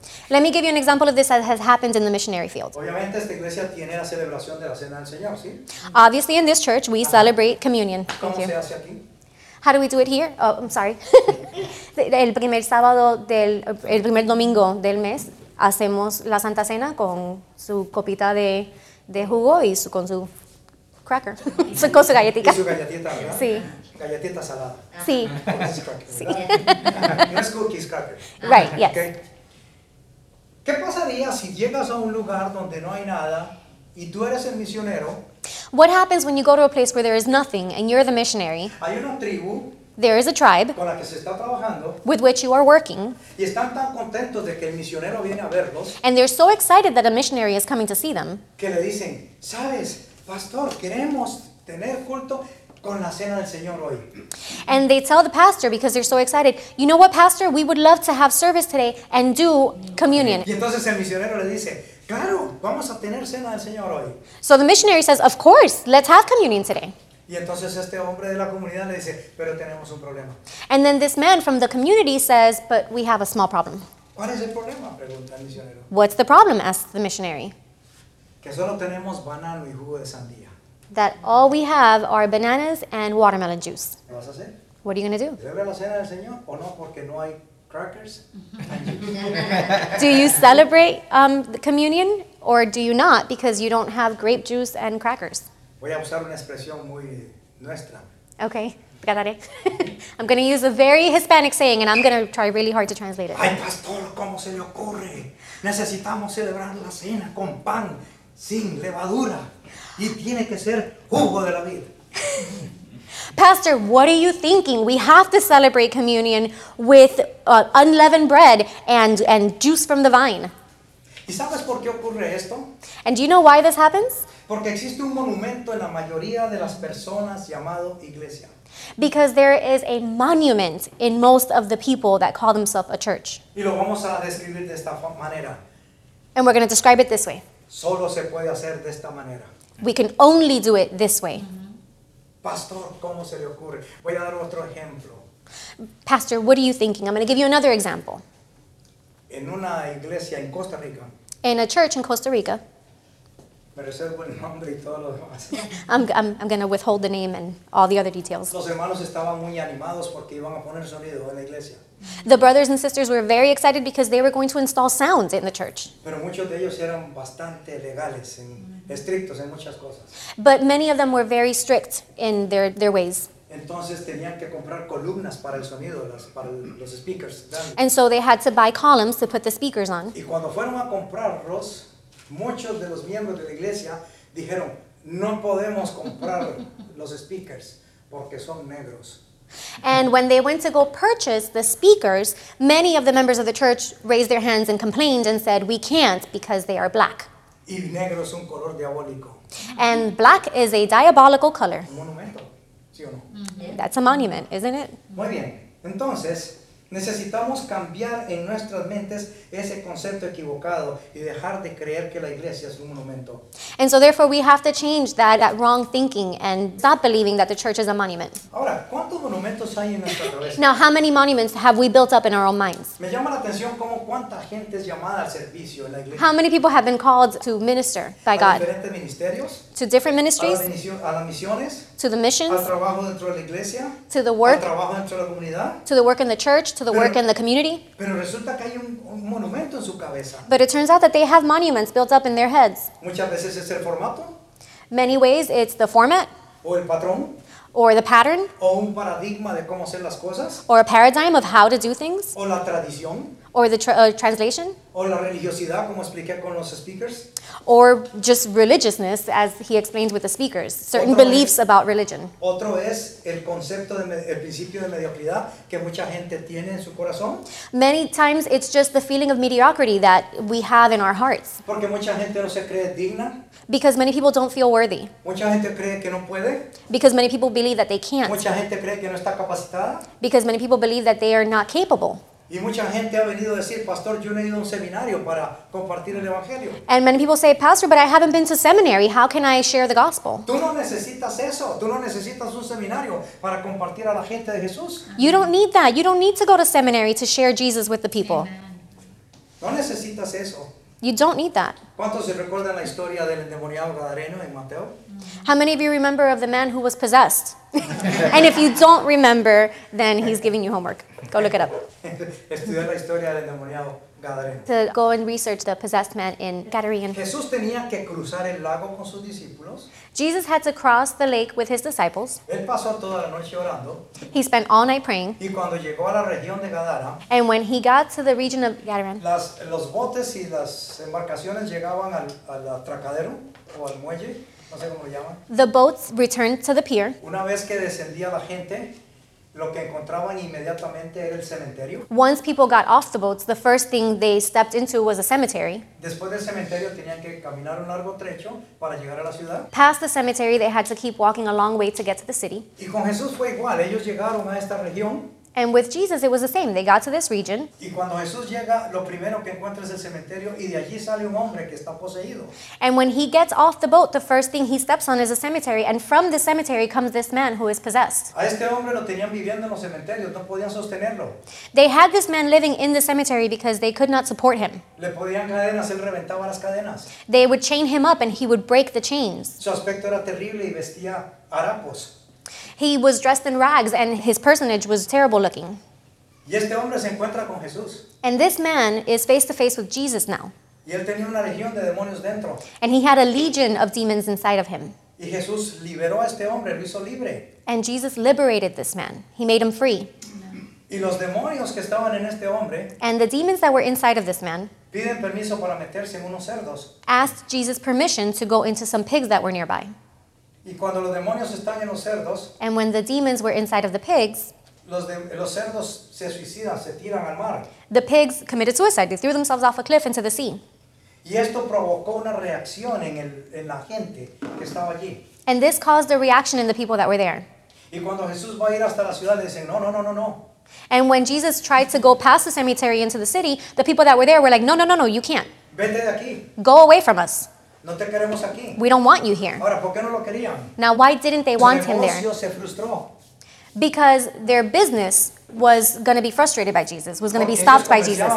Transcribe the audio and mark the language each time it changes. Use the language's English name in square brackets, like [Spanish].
[English] Let me give you an example of this that has happened in the missionary field. [Spanish] Obviamente esta iglesia tiene la celebración de la cena del Señor, ¿sí? [English] Obviously, in this church, we celebrate communion. [Spanish] ¿Cómo se hace aquí? [English] How do we do it here? Oh, I'm sorry. [Spanish] El primer sábado del, el primer domingo del mes, hacemos la Santa Cena con su copita de jugo y su, con su cracker. Su, con su galletita. Y su galletita, ¿verdad? Sí. Galletita salada. Sí. Cookies cracker, ¿verdad? Sí. No es cookies cracker. [English] Right, yes. Okay. [Spanish] ¿Qué pasaría si llegas a un lugar donde no hay nada y tú eres el misionero? [English] What happens when you go to a place where there is nothing and you're the missionary? [Spanish] Hay una tribu. [English] There is a tribe. [Spanish] Con la que se está trabajando. [English] With which you are working. [Spanish] Y están tan contentos de que el misionero viene a verlos. [English] And they're so excited that a missionary is coming to see them. [Spanish] Que le dicen, ¿sabes, pastor, queremos tener culto con la cena del Señor hoy? [English] And they tell the pastor, because they're so excited, you know what, pastor, we would love to have service today and do communion. [Spanish] Y entonces el misionero le dice, claro, vamos a tener cena del Señor hoy. [English] So the missionary says, of course, let's have communion today. [Spanish] Y entonces este hombre de la comunidad le dice, pero tenemos un problema. [English] And then this man from the community says, but we have a small problem. [Spanish] ¿Cuál es el problema? Pregunta el misionero. [English] What's the problem? Asks the missionary. [Spanish] Que solo tenemos banano y jugo de sandía. [English] That all we have are bananas and watermelon juice. [Spanish] ¿Qué vas a hacer? [English] What are you going to do? [Spanish] ¿Celebra la cena del Señor o no? Porque no hay crackers. [English] Do you celebrate the communion or do you not? Because you don't have grape juice and crackers. [Spanish] Voy a usar una expresión muy nuestra. [English] Okay. I'm going to use a very Hispanic saying and I'm going to try really hard to translate it. [Spanish] Ay, pastor, ¿cómo se le ocurre? Necesitamos celebrar la cena con pan sin levadura. Y tiene que ser jugo de la vid. [English] Pastor, what are you thinking? We have to celebrate communion with unleavened bread and juice from the vine. [Spanish] ¿Y sabes por qué ocurre esto? [English] And do you know why this happens? [Spanish] Porque existe un monumento en la mayoría de las personas llamado iglesia. [English] Because there is a monument in most of the people that call themselves a church. [Spanish] Y lo vamos a describir de esta manera. [English] And we're going to describe it this way. [Spanish] Solo se puede hacer de esta manera. [English] We can only do it this way. [Spanish] Mm-hmm. Pastor, ¿cómo se le ocurre? Voy a dar otro ejemplo. [English] Pastor, what are you thinking? I'm going to give you another example. [Spanish] En una iglesia en Costa Rica. [English] In a church in Costa Rica. [Spanish] Me reservo el nombre y todo lo demás. [English] I'm going to withhold the name and all the other details. [Spanish] Los hermanos estaban muy animados porque iban a poner sonido en la iglesia. [English] The brothers and sisters were very excited because they were going to install sounds in the church. [Spanish] Pero muchos de ellos eran bastante legales, estrictos en muchas cosas. [English] But many of them were very strict in their ways. [Spanish] Entonces tenían que comprar columnas para el sonido, para los speakers. [English] And so they had to buy columns to put the speakers on. [Spanish] Y cuando fueron a comprarlos, muchos de los miembros de la iglesia dijeron, no podemos comprar los speakers porque son negros. [English] And when they went to go purchase the speakers, many of the members of the church raised their hands and complained and said, we can't because they are black. [Spanish] Y negro es un color diabólico. [English] And black is a diabolical color. [Spanish] Un monumento, ¿sí o no? [English] Mm-hmm. That's a monument, isn't it? [Spanish] Muy bien. Entonces, necesitamos cambiar en nuestras mentes ese concepto equivocado y dejar de creer que la iglesia es un monumento. [English] And so therefore we have to change that wrong thinking and stop believing that the church is a monument. [Spanish] Ahora, ¿cuántos monumentos hay en nuestra cabeza? [English] Now, how many monuments have we built up in our own minds? [Spanish] Me llama la atención cómo cuánta gente es llamada al servicio en la iglesia. [English] How many people have been called to minister by God? [Spanish] A diferentes ministerios. [English] To different ministries. [Spanish] A las misiones. [English] To the missions. [Spanish] Al trabajo dentro de la iglesia. [English] To the work. [Spanish] Al trabajo dentro de la comunidad. [English] To the work in the church. To the work in the community. [Spanish] Pero resulta que hay un monumento en su cabeza. [English] But it turns out that they have monuments built up in their heads. [Spanish] Muchas veces es el formato. [English] Many ways it's the format. [Spanish] O el patrón. [English] Or the pattern. [Spanish] O un paradigma de cómo hacer las cosas. [English] Or a paradigm of how to do things. [Spanish] O la tradición. [English] Or the translation. [Spanish] O la religiosidad, como expliqué con los speakers. [English] Or just religiousness, as he explained with the speakers, certain beliefs about religion. [Spanish] Otro es el concepto el principio de mediocridad que mucha gente tiene en su corazón. [English] Many times it's just the feeling of mediocrity that we have in our hearts. [Spanish] Porque mucha gente no se cree digna. [English] Because many people don't feel worthy. [Spanish] Mucha gente cree que no puede. [English] Because many people believe that they can't. [Spanish] Mucha gente cree que no está capacitada. [English] Because many people believe that they are not capable. [Spanish] Y mucha gente ha venido a decir, Pastor, yo no he ido a un seminario para compartir el Evangelio. [English] And many people say, Pastor, but I haven't been to seminary. How can I share the gospel? [Spanish] Tú no necesitas eso. Tú no necesitas un seminario para compartir a la gente de Jesús. [English] You don't need that. You don't need to go to seminary to share Jesus with the people. [Spanish] No necesitas eso. [English] You don't need that. [Spanish] ¿Cuántos se recuerdan la historia del endemoniado gadareno en Mateo? [English] How many of you remember of the man who was possessed? And if you don't remember, then he's giving you homework. Go look it up. [Spanish] Estudiar la historia del endemoniado gadareno. [English] To go and research the possessed man in Gadarene. [Spanish] Jesús tenía que cruzar el lago con sus discípulos. [English] Jesus had to cross the lake with his disciples. [Spanish] Él pasó toda la noche orando. [English] He spent all night praying. [Spanish] Y cuando llegó a la región de Gadara. [English] And when he got to the region of Gadarene. [Spanish] Los botes y las embarcaciones llegaban al atracadero o al muelle. No sé cómo lo llaman. [English] The boats returned to the pier. [Spanish] Una vez que descendía la gente, lo que encontraban inmediatamente era el cementerio. [English] Once people got off the boats, the first thing they stepped into was a cemetery. [Spanish] Después del cementerio tenían que caminar un largo trecho para llegar a la ciudad. [English] Past the cemetery, they had to keep walking a long way to get to the city. [Spanish] Y con Jesús fue igual. Ellos llegaron a esta región. [English] And with Jesus, it was the same. They got to this region. [Spanish] Y cuando Jesús llega, lo primero que encuentra es el cementerio, y de allí sale un hombre que está poseído. [English] And when he gets off the boat, the first thing he steps on is a cemetery, and from the cemetery comes this man who is possessed. [Spanish] A este hombre lo tenían viviendo en los cementerios, no podían sostenerlo. [English] They had this man living in the cemetery because they could not support him. [Spanish] Le ponían cadenas, él reventaba las cadenas. [English] They would chain him up and he would break the chains. [Spanish] Su aspecto era terrible y vestía harapos. [English] He was dressed in rags and his personage was terrible looking. [Spanish] Y este hombre se encuentra con Jesús. [English] And this man is face to face with Jesus now. [Spanish] Y él tenía una legión de demonios dentro. [English] And he had a legion of demons inside of him. [Spanish] Y Jesús liberó a este hombre, lo hizo libre. [English] And Jesus liberated this man. He made him free. [Spanish] Y los demonios que estaban en este hombre, [English] and the demons that were inside of this man, [Spanish] piden permiso para meterse en unos cerdos, [English] asked Jesus permission to go into some pigs that were nearby. [Spanish] Y cuando los demonios están en los cerdos, [English] and when the demons were inside of the pigs, [Spanish] los cerdos se suicidan, se tiran al mar. [English] The pigs committed suicide. They threw themselves off a cliff into the sea. [Spanish] Y esto provocó una reacción en la gente que estaba allí. [English] And this caused a reaction in the people that were there. [Spanish] Y cuando Jesús va a ir hasta la ciudad, le dicen, no. [English] And when Jesus tried to go past the cemetery into the city, the people that were there were like, no, you can't. [Spanish] Vete de aquí. [English] Go away from us. [Spanish] No te queremos aquí. [English] We don't want you here. [Spanish] Ahora, ¿por qué no lo querían? [English] Now, why didn't they want him there? [Spanish] Su negocio se frustró. [English] Because their business was going to be frustrated by Jesus, was going to be stopped by Jesus.